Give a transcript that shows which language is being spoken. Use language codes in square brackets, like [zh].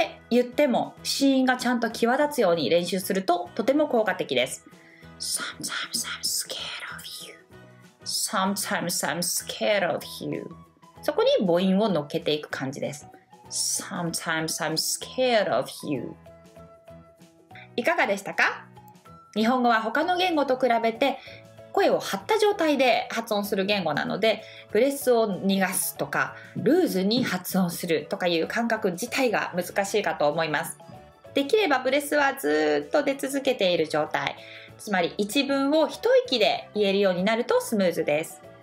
[ja] 言っても子音がちゃんと際立つように練習するととても効果的です。 [en] Sometimes I'm scared of you. Sometimes I'm scared of you. [ja] そこに母音を乗っけていく感じです。 [en] Sometimes I'm scared of you. [ja] いかがでしたか？日本語は他の言語と比べて声を張った状態で発音する言語なので、ブレスを逃がすとかルーズに発音するとかいう感覚自体が難しいかと思います。できればブレスはずっと出続けている状態、つまり一文を一息で言えるようになるとスムーズです。